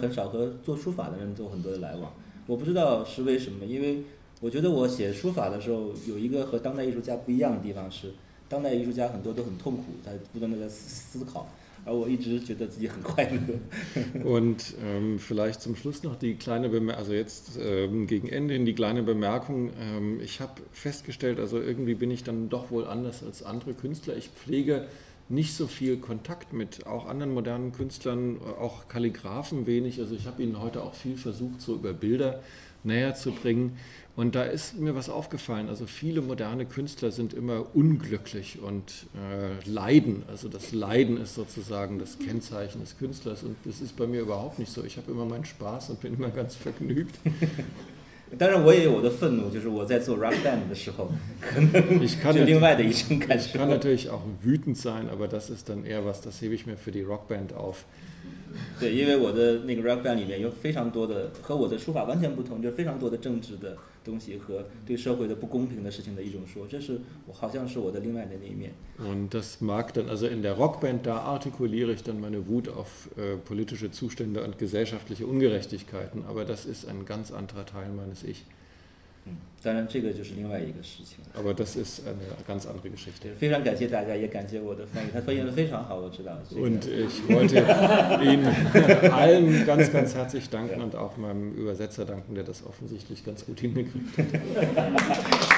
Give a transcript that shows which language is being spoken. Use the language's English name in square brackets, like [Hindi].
[English] Today, [Chinese] 我不知道是为什么，因为我觉得我写书法的时候有一个和当代艺术家不一样的地方是，当代艺术家很多都很痛苦，他不断的在思考，而我一直觉得自己很快乐。 [German] Und vielleicht zum Schluss noch die kleine Bemerkung, also jetzt gegen Ende hin die kleine Bemerkung. Ich habe festgestellt, also irgendwie bin ich dann doch wohl anders als andere Künstler. Ich pflege nicht so viel Kontakt mit auch anderen modernen Künstlern, auch Kalligraphen wenig. Also ich habe ihnen heute auch viel versucht, so über Bilder näher zu bringen. Und da ist mir was aufgefallen. Also viele moderne Künstler sind immer unglücklich und leiden. Also das Leiden ist sozusagen das Kennzeichen des Künstlers. Und das ist bei mir überhaupt nicht so. Ich habe immer meinen Spaß und bin immer ganz vergnügt. [Chinese] 当然，我也有我的愤怒，就是我在做 rap band 的时候，可能是另外的一种感受。 [German] Ich kann natürlich auch wütend sein, aber das ist dann eher was, das hebe ich mir für die rock band auf. [Chinese] 对，因为我的那个 rap band 里面有非常多的和我的书法完全不同，就是非常多的政治的东西和对社会的不公平的事情的一种说，这是我好像是我的另外的那一面。 [German] Und das mag dann also in der rock band da artikuliere ich dann meine Wut auf politische Zustände und gesellschaftliche Ungerechtigkeiten, aber das ist ein ganz anderer Teil meines Ich. [Chinese] 当然，这个就是另外一个事情。 [German] Aber das ist eine ganz andere Geschichte. [Chinese] 非常感谢大家，也感谢我的翻译，他翻译的非常好，我知道。 [German] Und ich wollte Ihnen allen ganz, ganz herzlich danken und auch meinem Übersetzer danken, der das offensichtlich ganz gut hingekriegt hat.